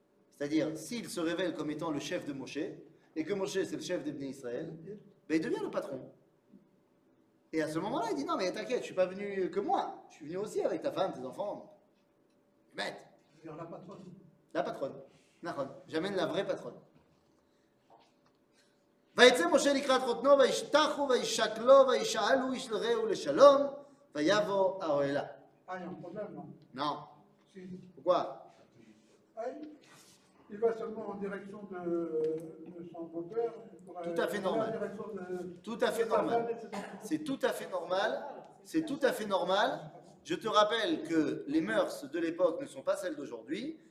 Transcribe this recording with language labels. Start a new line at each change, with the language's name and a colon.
French: C'est-à-dire, s'il se révèle comme étant le chef de Moshe, et que Moshe c'est le chef de Bnei Israël, ben, il devient le patron. Et à ce moment-là, il dit, non mais t'inquiète, je ne suis pas venu que moi. Je suis venu aussi avec ta femme, tes enfants. Bête. La patronne. La patronne. J'amène la vraie patronne.
Hebrew: ויצא משה לקראת חותנו וישתחו וישקלו וישאלו איש לרעהו לשלום ויבוא האוהלה.
French: Non. Non. Si. Pourquoi? Il va seulement en direction de son beau-père. Tout à fait normal. Tout à fait normal. C'est tout à fait normal. C'est tout à fait normal. Je te rappelle que les mœurs de l'époque ne sont pas celles d'aujourd'hui.